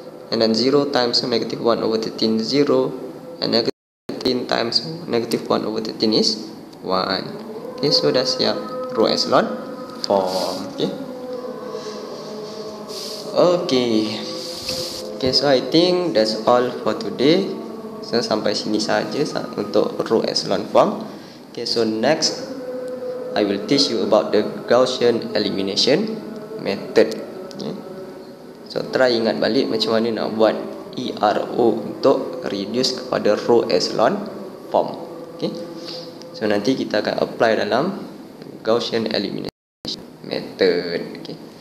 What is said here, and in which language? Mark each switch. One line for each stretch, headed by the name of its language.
English: And then 0 times negative 1 over 13, 0. And negative 13 times negative 1 over 13 is 1.
Malay: Okay, so dah siap row echelon form. Okay. Okay.
English: Okay, so I think that's all for today.
Malay: So sampai sini saja untuk row echelon form.
English: Okay, so next I will teach you about the Gaussian elimination method.
Malay: Okay. So try ingat balik macam mana nak buat ERO untuk reduce kepada row echelon form. Okay. So nanti kita akan apply dalam Gaussian elimination method. Okay.